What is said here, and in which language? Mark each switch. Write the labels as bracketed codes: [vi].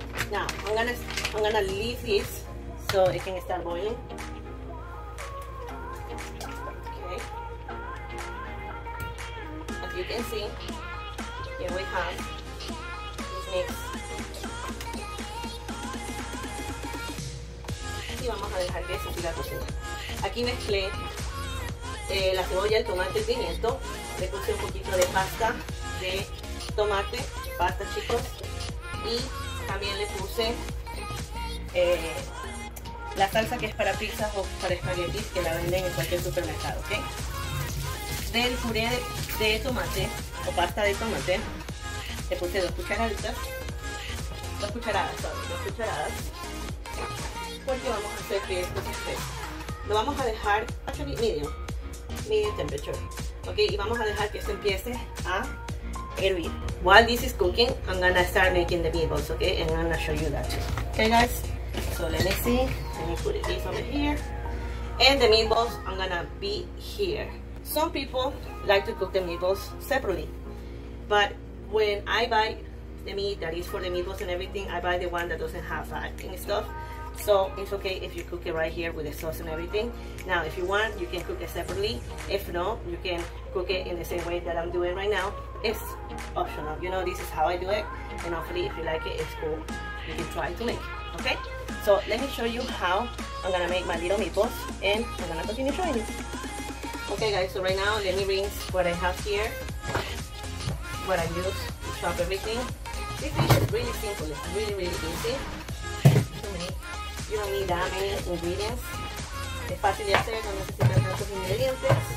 [en] Now I'm gonna leave this so it can start boiling. Okay. As you can see, here we have this mix. [es] y vamos a dejar que se siga cocinando. Aquí mezclé la cebolla, el tomate, el pimiento. Le puse un poquito de pasta de tomate, pasta, chicos. Y también le puse la salsa que es para pizzas o para espaguetis, que la venden en cualquier supermercado, ¿ok? Del puré de tomate o pasta de tomate, le puse dos cucharadas, porque vamos a hacer que esto se esté. Lo vamos a dejar a [en] medium temperature, [es] ok, y vamos a dejar que esto empiece a hervir. [en] While this is cooking, I'm gonna start making the meatballs, ok, and I'm gonna show you that too. Ok, guys, so let me see, let me put this over here, and the meatballs, I'm gonna be here. Some people like to cook the meatballs separately, but when I buy the meat that is for the meatballs and everything, I buy the one that doesn't have fat and stuff. So it's okay if you cook it right here with the sauce and everything. Now, if you want, you can cook it separately. If not, you can cook it in the same way that I'm doing right now. It's optional. You know, this is how I do it. And hopefully, if you like it, it's cool. You can try to make it, okay? So let me show you how I'm gonna make my little meatballs, and I'm gonna continue showing you. Okay, guys, so right now, let me rinse what I have here, what I use to chop everything. This dish is really simple, it's really, really easy. You don't need that many ingredients. [es] Es fácil de hacer, no necesitas tantos ingredientes.